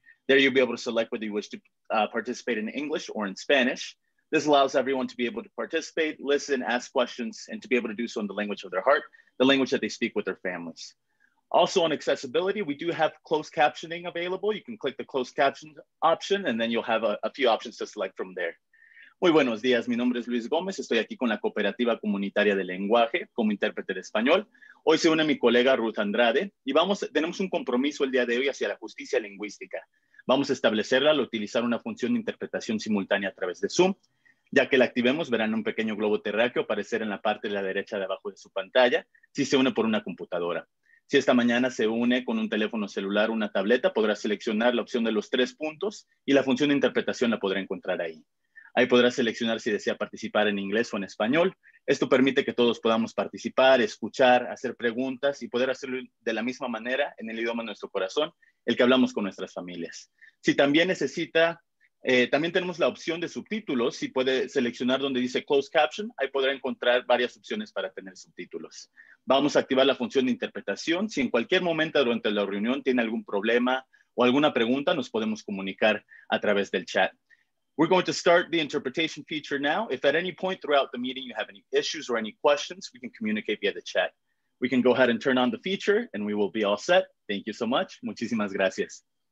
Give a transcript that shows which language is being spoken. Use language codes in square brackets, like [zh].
[en] There, you'll be able to select whether you wish to participate in English or in Spanish. This allows everyone to be able to participate, listen, ask questions, and to be able to do so in the language of their heart, the language that they speak with their families. Also on accessibility, we do have closed captioning available. You can click the closed caption option and then you'll have a few options to select from there. [es] Muy buenos días, mi nombre es Luis Gómez. Estoy aquí con la Cooperativa Comunitaria de Lenguaje como intérprete de español. Hoy se une mi colega Ruth Andrade y tenemos un compromiso el día de hoy hacia la justicia lingüística. Vamos a establecerla al utilizar una función de interpretación simultánea a través de Zoom. Ya que la activemos, verán un pequeño globo terráqueo aparecer en la parte de la derecha de abajo de su pantalla si se une por una computadora. Si esta mañana se une con un teléfono celular o una tableta, podrá seleccionar la opción de los tres puntos y la función de interpretación la podrá encontrar ahí. Ahí podrá seleccionar si desea participar en inglés o en español. Esto permite que todos podamos participar, escuchar, hacer preguntas y poder hacerlo de la misma manera en el idioma de nuestro corazón, el que hablamos con nuestras familias. Si también necesita, también tenemos la opción de subtítulos. Si puede seleccionar donde dice closed caption, ahí podrá encontrar varias opciones para tener subtítulos. Vamos a activar la función de interpretación. Si en cualquier momento durante la reunión tiene algún problema o alguna pregunta, nos podemos comunicar a través del chat. [en] We're going to start the interpretation feature now. If at any point throughout the meeting you have any issues or any questions, we can communicate via the chat. We can go ahead and turn on the feature and we will be all set. Thank you so much. [es] Muchísimas gracias.